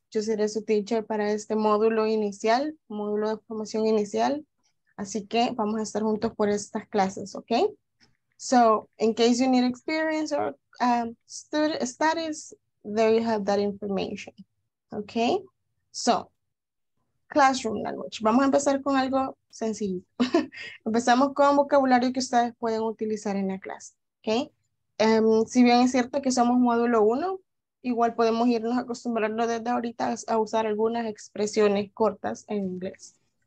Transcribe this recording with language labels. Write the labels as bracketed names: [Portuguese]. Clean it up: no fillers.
[Spanish] Yo seré su teacher para este módulo inicial, módulo de formación inicial. Así que vamos a estar juntos por estas clases, ¿ok? [English] So, in case you need experience or studies, there you have that information, ¿ok? So, classroom language. [Spanish] Vamos a empezar con algo sencillo. Empezamos con vocabulario que ustedes pueden utilizar en la clase, ¿ok? Si bien es cierto que somos módulo 1, igual podemos irnos acostumbrando desde ahorita a usar algunas expresiones cortas en inglés.